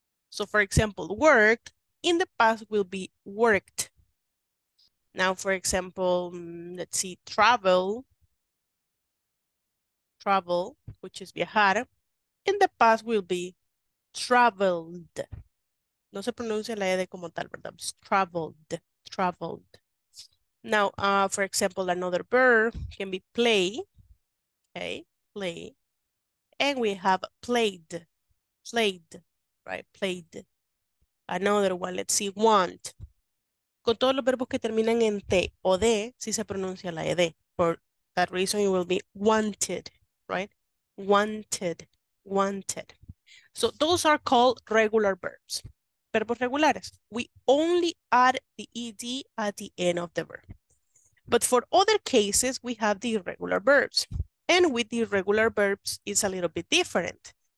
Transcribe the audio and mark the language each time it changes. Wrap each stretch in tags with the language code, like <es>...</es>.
<en>So for example, worked in the past will be worked. Now, for example, let's see, travel, which is viajar, in the past will be traveled.</en> <es>No se pronuncia la ed como tal, ¿verdad?</es> <en>Traveled. Now, for example, another verb can be play, okay, play. And we have played, right? Played. Another one, let's see, want.</en> <es>Con todos los verbos que terminan en T o D, sí se pronuncia la ED.</es> <en>For that reason, it will be wanted, right? Wanted. So those are called regular verbs.</en> <es>Verbos regulares.</es> <en>We only add the ED at the end of the verb. But for other cases, we have the irregular verbs. And with the irregular verbs, it's a little bit different.</en>